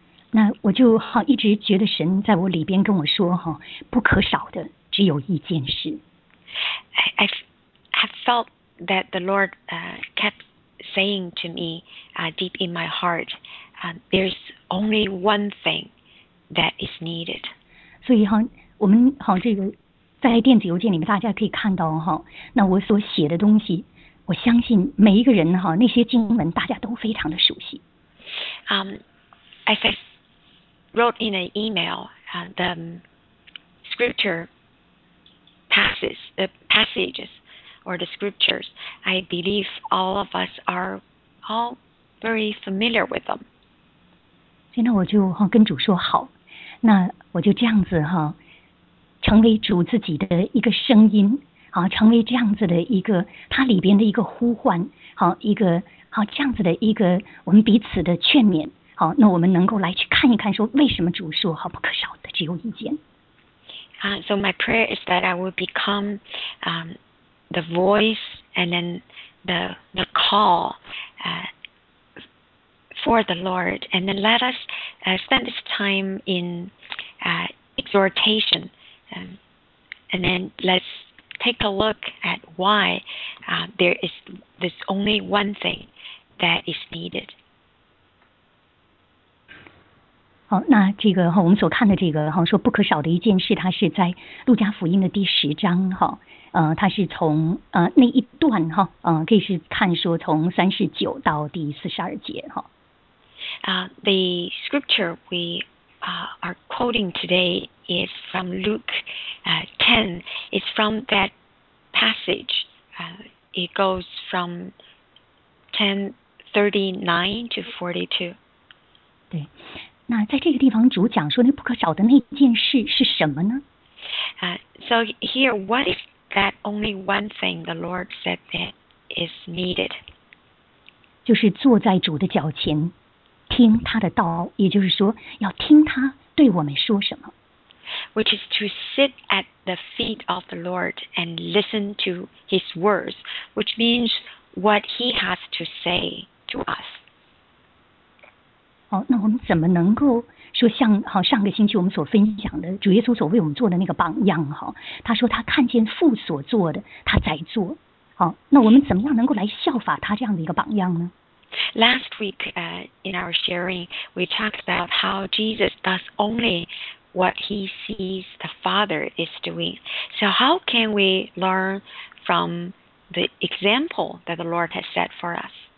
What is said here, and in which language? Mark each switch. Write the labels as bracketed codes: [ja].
[zh] 那我就一直觉得神在我里边跟我说不可少的只有一件事。 [en] I have felt that the Lord kept saying to me deep in my heart, there's only one thing that is needed. [zh] 所以我们这个在电子邮件里面大家可以看到那我所写的东西，我相信每一个人那些经文大家都非常的熟悉。 [en] As I wrote in an email, the scripture passages or the scriptures, I believe all of us are all very familiar with them. [zh] 所以那我就跟主说好，那我就这样子成为主自己的一个声音，成为这样子的一个它里边的一个呼唤，一个这样子的一个我们彼此的劝勉，那我们能够来去看一看说为什么主说不可少的只有一件。 [en] So my prayer is that I will become the voice and then the call for the Lord, and then let us spend this time in exhortation. And then let's take a look at why there is this only one thing that is needed. [zh] 好，那这个我们所看的这个说不可少的一件事，它是在路加福音的第十章它是从那一段可以是看说从39到第42节 [en] The scripture we are quoting today is from Luke 10. It's from that passage. It goes from 10:39 to 42. [zh] 对，那在这个地方主讲说那不可少的那件事是什么呢？ [en] So here, what is that only one thing the Lord said that is needed? [zh] 就是坐在主的脚前听他的道，也就是说要听他对我们说什么。 [en] Which is to sit at the feet of the Lord and listen to his words, which means what he has to say to us. [zh] 好，那我们怎么能够说像上个星期我们所分享的主耶稣所为我们做的那个榜样他说他看见父所做的他在做。好，那我们怎么样能够来效法他这样的一个榜样呢？ [en] Last week in our sharing, we talked about how Jesus does only what he sees the Father is doing. So how can we learn from the example that the Lord has set for us?